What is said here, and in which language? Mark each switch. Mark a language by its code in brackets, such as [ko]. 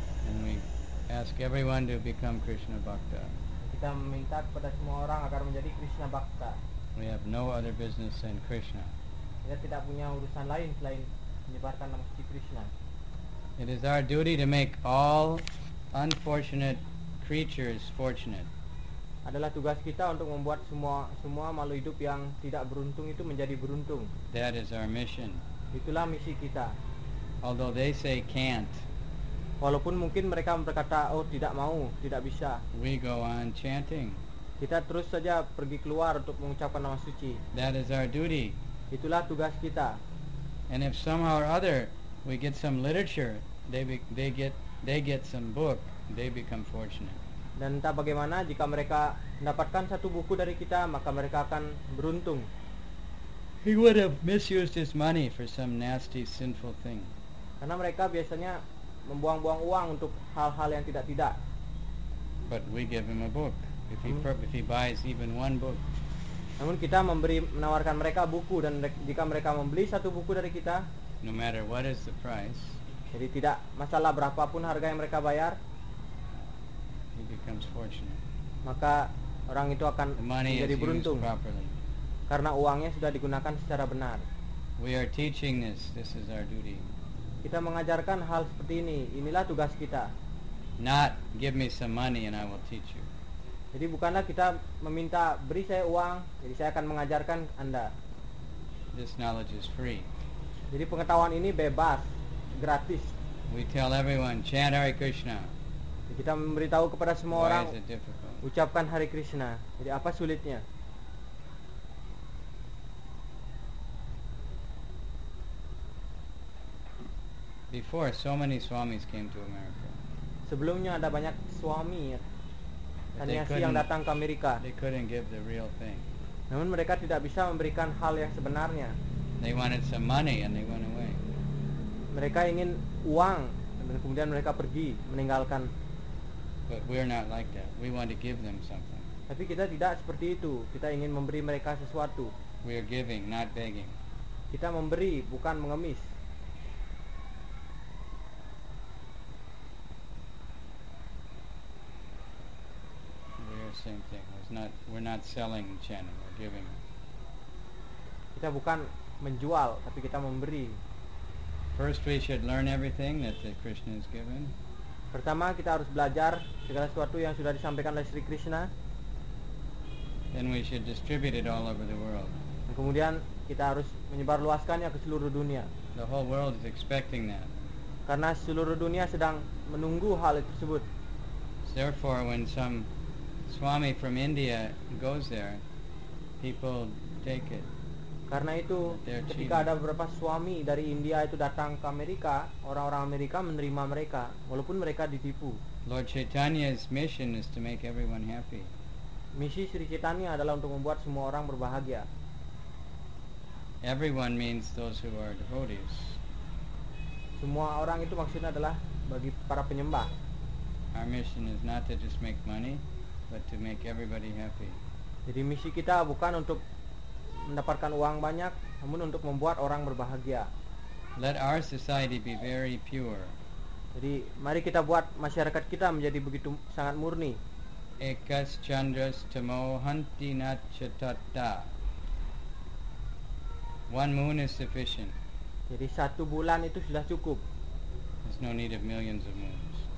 [en] And we ask everyone to become Krishna Bhakta. [id] Kita meminta kepada semua orang agar menjadi Krishna Bhakta. [en] We have no other business than Krishna. [id] Kita tidak punya urusan lain selain menyebarkan nama Sri Krishna. [en] It is our duty to make all unfortunate creatures fortunate. [id] Adalah tugas kita untuk membuat semua makhluk hidup yang tidak beruntung itu menjadi beruntung. [en] That is our mission. [id] Itulah misi kita. [en] Although they say can't. [id] Walaupun mungkin mereka berkata, oh tidak mau, tidak bisa. [en] We go on chanting. [id] Kita terus saja pergi keluar untuk mengucapkan nama suci. [en] That is our duty. [id] Itulah tugas kita. [en] And if somehow or other we get some literature, they get some book, they become fortunate. [id] Dan entah bagaimana, jika mereka mendapatkan satu buku dari kita, maka mereka akan beruntung. [en] He would have misused his money for some nasty, sinful thing. [id] Karena mereka biasanya membuang-buang uang untuk hal-hal yang tidak-tidak. [en] But we give him a book if he buys even one book. [id] Namun kita menawarkan mereka buku, dan jika mereka membeli satu buku dari kita, [en] no matter what is the price, [id] jadi tidak masalah berapapun harga yang mereka bayar, [en] he becomes fortunate. [id] Maka orang itu akan menjadi beruntung karena uangnya sudah digunakan secara benar. [en] We are teaching this. This is our duty. [id] Kita mengajarkan hal seperti ini. Inilah tugas kita. [en] Not give me some money and I will teach you. [id] Jadi bukanlah kita meminta beri saya uang, jadi saya akan mengajarkan Anda. [en] This knowledge is free. [id] Jadi pengetahuan ini bebas, gratis. [en] We tell everyone, chant Hare Krishna. [id] Jadi kita memberitahu kepada semua orang, [en] why is it difficult? [id] Ucapkan Hare Krishna. Jadi apa sulitnya? [en] Before, so many swamis came to America. [id] Sebelumnya ada banyak swami, sanyasi yang datang ke Amerika. [en] They couldn't give the real thing. [id] Namun mereka tidak bisa memberikan hal yang sebenarnya. [en] They wanted some money and they went away. [id] Mereka ingin uang dan kemudian mereka pergi meninggalkan. [en] But we're not like that. We want to give them something. [id] Tapi kita tidak seperti itu. Kita ingin memberi mereka sesuatu. [en] We are giving, not begging. [id] Kita memberi, bukan mengemis. [en] Same thing. We're not selling chanting, we're giving. [id] Kita bukan menjual, tapi kita memberi. [en] First we should learn everything that the Krishna has given. [id] Pertama kita harus belajar segala sesuatu yang sudah disampaikan oleh Sri Krishna. [en] Then we should distribute it all over the world. [id] Dan kemudian kita harus menyebarluaskannya ke seluruh dunia. [en] The whole world is expecting that. [id] Karena seluruh dunia sedang menunggu hal itu tersebut. [en] Therefore when some swami from India goes there, people take it. [id] Karena itu, ketika ada beberapa swami dari India itu datang ke Amerika, orang-orang Amerika menerima mereka, walaupun mereka ditipu. [en] Lord Chaitanya's mission is to make everyone happy. [id] Misi Sri Chaitanya adalah untuk membuat semua orang berbahagia. [en] Everyone means those who are devotees. [id] Semua orang itu maksudnya adalah bagi para penyembah. [en] Our mission is not to just make money, but to make everybody happy. [id] Jadi misi kita bukan untuk mendapatkan uang banyak, namun untuk membuat orang berbahagia. [en] Let our society be very pure. [id] Jadi mari kita buat masyarakat kita menjadi begitu sangat murni. [sa] Ekas chandras tamo hanti nachatata. [en] One moon is sufficient. [id] Jadi satu bulan itu sudah cukup. [en] There's no need of millions of moons.